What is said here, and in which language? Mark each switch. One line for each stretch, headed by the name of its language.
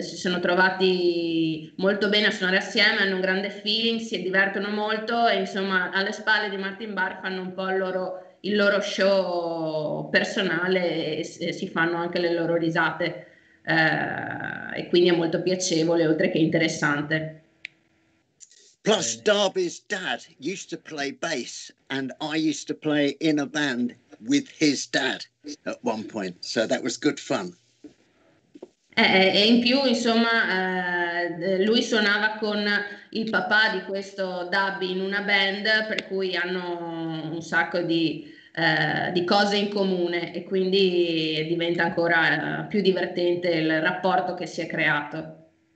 Italian: Si sono trovati molto bene a suonare assieme, hanno un grande feeling, si divertono molto e, insomma, alle spalle di Martin Barr fanno un po' il loro show personale e si fanno anche le loro risate, e quindi è molto piacevole, oltre che interessante.
English: Plus, Darby's dad used to play bass and I used to play in a band with his dad at one point, so that was good fun.
Italian: E in più, insomma, lui suonava con il papà di questo Dubby in una band, per cui hanno un sacco di cose in comune, e quindi diventa ancora più divertente il rapporto che si è creato.